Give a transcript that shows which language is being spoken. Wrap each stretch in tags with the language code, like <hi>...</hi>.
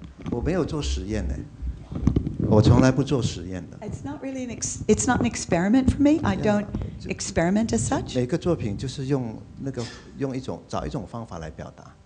<zh>我没有做实验呢，我从来不做实验的。</zh> <en>It's not really an it's not an experiment for me. I don't experiment as such.</en> <zh>每个作品就是用一种找一种方法来表达。</zh>